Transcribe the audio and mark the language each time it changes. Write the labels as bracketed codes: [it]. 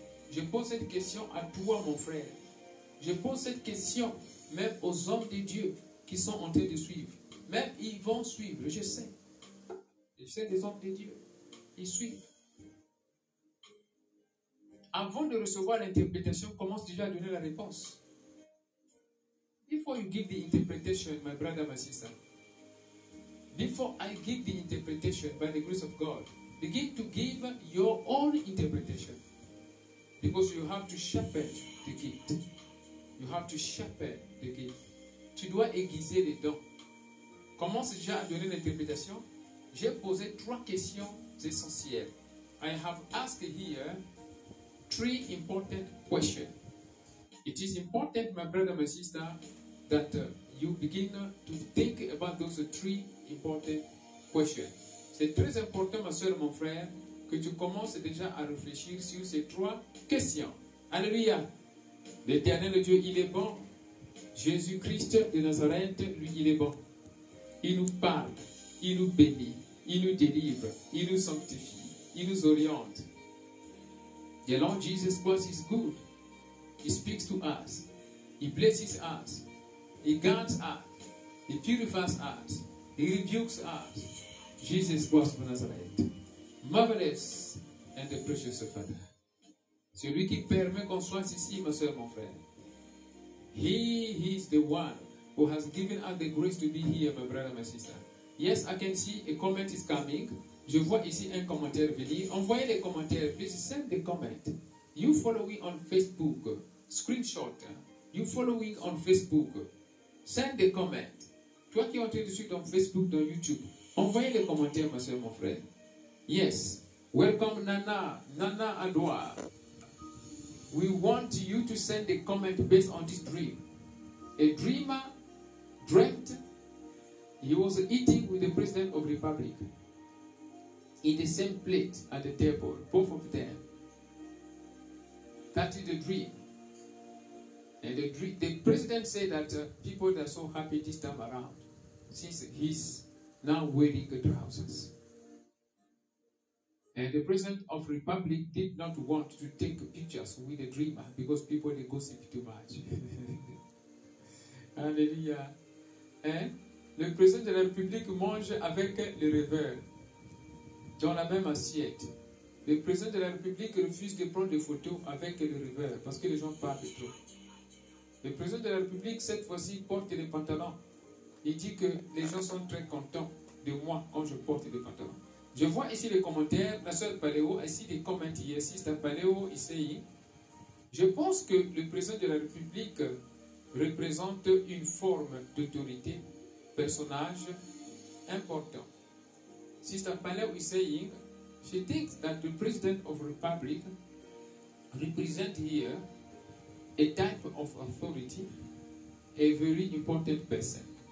[fr] Je pose cette question à toi, mon frère. Je pose cette question même aux hommes de Dieu qui sont en train de suivre. Même ils vont suivre, je sais. Je sais des hommes de Dieu. Ils suivent. Avant de recevoir l'interprétation, commence déjà à donner la réponse. [en] Before you give the interpretation, my brother, my sister, before I give the interpretation by the grace of God, begin to give your own interpretation. Because you have to shepherd the gift. You have to shepherd the gift. [fr] Tu dois aiguiser les dons. Commence déjà à donner l'interprétation. [en] J'ai posé trois questions essentielles. I have asked here three important questions. It is important, my brother, my sister, that you begin to think about those three important questions. [fr] C'est très important, ma soeur, mon frère, que tu commences déjà à réfléchir sur ces trois questions. Alléluia! L'Éternel Dieu, il est bon. Jésus-Christ de Nazareth, lui, il est bon. Il nous parle, il nous bénit, il nous délivre, il nous sanctifie, il nous oriente. [en] The Lord Jesus Christ is good. He speaks to us. He blesses us. He guards us. He purifies us. He rebukes us. Jesus Christ of Nazareth. Marvelous and the precious Father. [fr] Celui qui permet qu'on soit ici, ma soeur, mon frère. [en] He is the one who has given us the grace to be here, my brother, my sister. Yes, I can see a comment is coming. Je vois ici un commentaire venir. Envoyez les commentaires. Please send the comment. You following on Facebook. Screenshot. You following on Facebook. Send the comment. [fr] toi qui es en train de suivre dans Facebook, dans YouTube, envoyez les commentaires, ma soeur, mon frère. [en] Yes. Welcome, Nana. Nana Adwa. We want you to send a comment based on this dream. A dreamer dreamt he was eating with the President of the Republic in the same plate at the table, both of them. That is the dream. And the President said that people are so happy this time around since he's now wearing trousers. And the President of the Republic did not want to take pictures with the dreamer because people, they gossip too much. Hallelujah. Hein? [fr] Le président de la République mange avec les rêveurs dans la même assiette. Le président de la République refuse de prendre des photos avec les rêveurs parce que les gens parlent trop. Le président de la République, cette fois-ci, porte des pantalons. Il dit que les gens sont très contents de moi quand je porte des pantalons. Je vois ici les commentaires, ma soeur Paléo, ainsi des commentaires, ici c'est un Paléo, ici. Je pense que le président de la République représente une forme d'autorité, personnage important. [en] Sister Paleo is saying, she thinks that the President of the Republic represents here a type of authority, a very important person.